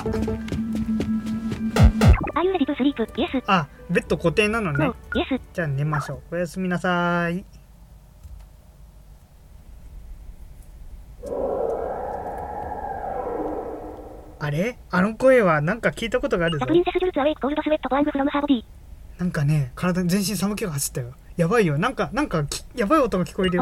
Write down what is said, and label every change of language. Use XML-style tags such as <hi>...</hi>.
<en>Are you ready to sleep? Yes.</en> <ja>あ、ベッド固定なのね。</ja> <en>No. Yes.</en> <ja>じゃあ寝ましょう。おやすみなさい。あれ？あの声はなんか聞いたことがあるぞ。</ja> <en>The princess jolts awake, cold sweat pouring from her body.</en> <ja>なんかね、体全身寒気が走ったよ。やばいよ。なんかやばい音が聞こえるよ。</ja>